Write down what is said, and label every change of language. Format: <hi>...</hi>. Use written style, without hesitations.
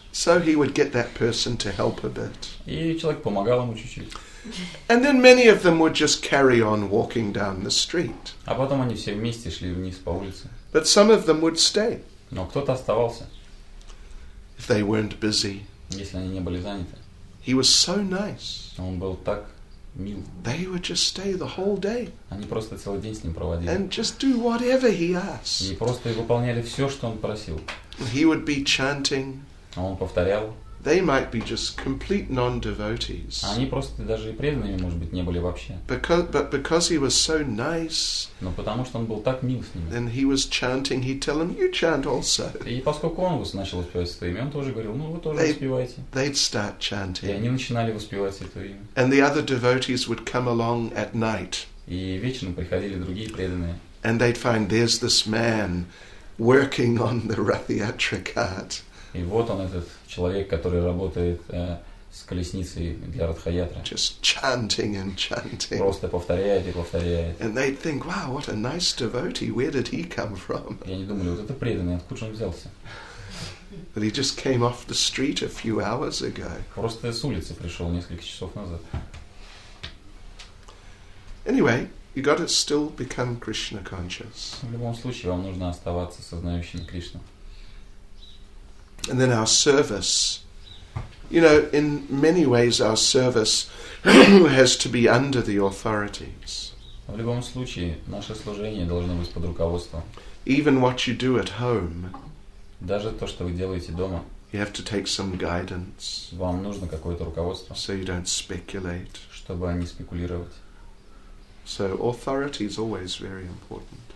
<en>So he would get that person to help a bit.</en> <ru>И человек помогал ему чуть-чуть.</ru> <en>And then many of them would just carry on walking down the street.</en> <ru>А потом они все вместе шли вниз по улице.</ru> <en>But some of them would stay.</en> <ru>Но кто-то оставался.</ru> <en>If they weren't busy.</en> <ru>Если они не были заняты.</ru> <en>He was so nice.</en> <ru>Он был так мил.</ru> <en>They would just stay the whole day.</en> <ru>Они просто целый день с ним проводили.</ru> <en>And just do whatever he asked.</en> <ru>И просто выполняли все, что он просил.</ru> <en>He would be chanting.</en> <ru>Он повторял.</ru> <en>They might be just complete non-devotees.</en> <ru>Они просто даже и преданными, может быть, не были вообще.</ru> <en>But because he was so nice.</en> <ru>Но потому что он был так мил с ними.</ru> <en>Then he was chanting. He'd tell them, "You chant also."</en> <ru>И поскольку он начал воспевать это имя, он тоже говорил: "Ну вы тоже воспевайте."</ru> <en>They'd start chanting.</en> <ru>И они начинали воспевать это имя.</ru> <en>And the other devotees would come along at night.</en> <ru>И вечером приходили другие преданные.</ru> <en>And they'd find there's this man working on the Rathyatra cart.</en> <ru>И вот он, этот человек, который работает с колесницей для Радхаятры.</ru> <en>Just chanting and chanting.</en> <ru>Просто повторяет и повторяет.</ru> <en>And they'd think, wow, what a nice devotee, where did he come from?</en> <ru>И они думали, вот это преданный, откуда же он взялся?</ru> <en>But he just came off the street a few hours ago.</en> <ru>Просто с улицы пришел несколько часов назад.</ru> <en>Anyway, you got to still become Krishna conscious.</en> <ru>В любом случае, вам нужно оставаться сознающим Кришну.</ru> <en>And then our service, you know, in many ways our service has to be under the authorities.</en> <ru>В любом случае, наше служение должно быть под руководством.</ru> <en>Even what you do at home.</en> <ru>Даже то, что вы делаете дома.</ru> <en>You have to take some guidance.</en> <ru>Вам нужно какое-то руководство.</ru> <en>So you don't speculate.</en> <ru>Чтобы не спекулировать.</ru> <en>So authority is always very important.</en>